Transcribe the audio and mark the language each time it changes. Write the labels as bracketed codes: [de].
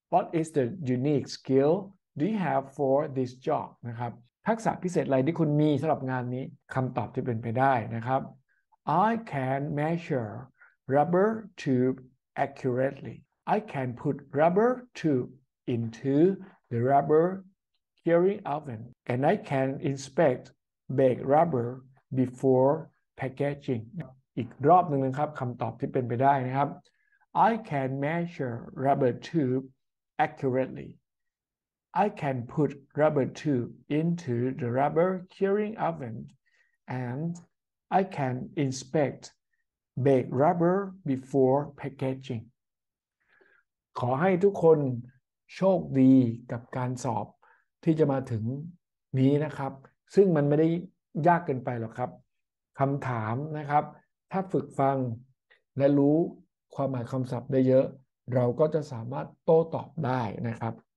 [en] What is the unique skill do you have for this job? [th] นะครับทักษะพิเศษอะไรที่คุณมีสำหรับงานนี้คำตอบที่เป็นไปได้นะครับ [en] I can measure rubber tube accurately. I can put rubber tube into the rubber curing oven. And I can inspect baked rubber before packaging. [th] อีกรอบหนึ่งนะครับคำตอบที่เป็นไปได้นะครับ [en] I can measure rubber tube accurately. I can put rubber tube into the rubber curing oven and I can inspect baked rubber before packaging. [th] ขอให้ทุกคนโชคดีกับการสอบที่จะมาถึงนี้นะครับซึ่งมันไม่ได้ยากเกินไปหรอกครับคำถามนะครับถ้าฝึกฟังและรู้ความหมายคำศัพท์ได้เยอะเราก็จะสามารถโต้ตอบได้นะครับ